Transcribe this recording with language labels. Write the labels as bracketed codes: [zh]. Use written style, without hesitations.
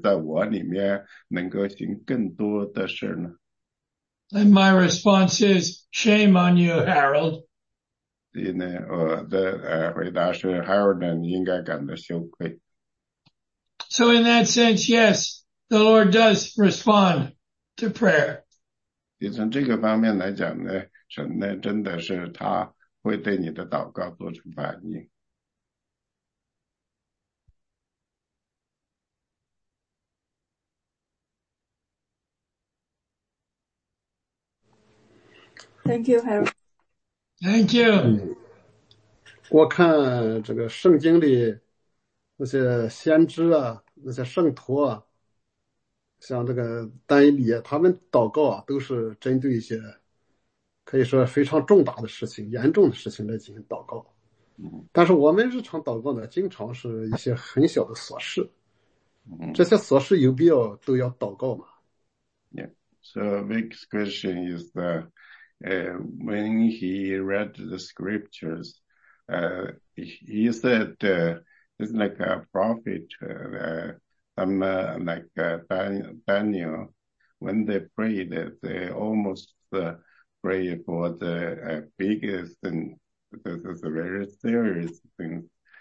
[zh] 因为如果我也像但以理那样一天呢跪下祷告3次，神是不是通过我或者在我里面能够行更多的事呢？ [en] And my response is, shame on you, Harold. [zh] 所以呢，我的回答是 ，Harden 应该感到羞愧。 [en] So in that sense, yes, the Lord does respond to prayer. [zh] 也从这个方面来讲呢，神呢真的是他会对你的祷告做出反应。 [en] Thank you, Harold. Thank you. [zh] 我看这个圣经里那些先知啊，那些圣徒啊，像这个丹以理，他们祷告啊，都是针对一些可以说非常重大的事情、严重的事情来进行祷告。但是我们日常祷告呢，经常是一些很小的琐事。这些琐事有必要都要祷告吗 [en] ？Yeah. So Vic's question is that. When he read the scriptures, he said, it's like a prophet, Daniel, when they prayed, they almost prayed for the biggest and this is a very serious thing.